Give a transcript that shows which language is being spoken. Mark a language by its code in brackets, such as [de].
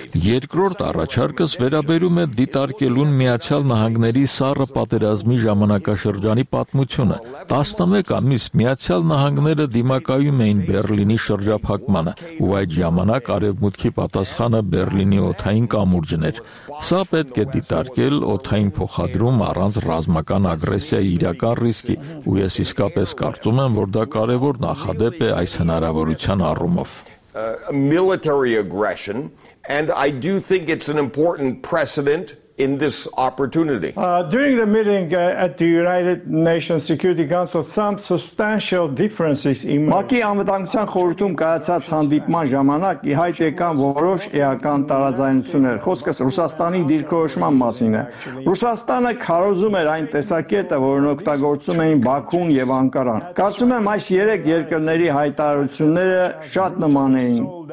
[hy] Երկրորդ առաջարկս վերաբերում է դիտարկելուն Միացյալ Նահանգների սառը պատերազմի ժամանակաշրջանի պատմությունը։ 11 ամիս Միացյալ Նահանգները դիմակայում էին Բեռլինի շրջափակմանը, ու այդ ժամանակ արևմուտքի պատասխանը Բեռլինի օթային կամուրջն էր։ Սա պետք է դիտարկել օթային փոխադրում առանց ռազմական ագրեսիայի իրական ռիսկի, ու ես իսկապես կարծում եմ, որ դա կարևոր նախադեպ է այս հնարավորության առումով։ [en] Military aggression, and I do think it's an important precedent in this opportunity. During the meeting at the United Nations Security Council, some substantial differences emerged. [hy] ՄԱԿ-ի անվտանգության խորհրդում կայացած հանդիպման ժամանակ իհայտ եկան որոշ էական տարաձայնություններ, խոսքս Ռուսաստանի դիրքորոշման մասին է։ Ռուսաստանը քարոզում էր այն տեսակետը, որն օգտագործում էին Բաքուն և Անկարան։ Կարծում եմ, այս երեք երկրների հայտարարությունները շատ նման էին